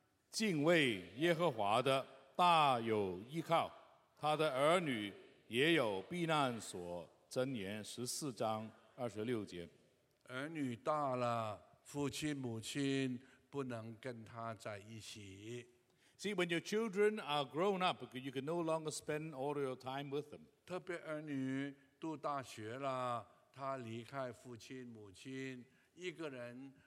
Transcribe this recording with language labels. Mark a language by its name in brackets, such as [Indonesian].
[Chinese] 敬畏耶和华的大有依靠，他的儿女也有避难所。箴言十四章二十六节，儿女大了，父亲母亲不能跟他在一起。 [English] See, when your children are grown up, you can no longer spend all your time with them. [Chinese] 特别儿女读大学了，他离开父亲母亲，一个人。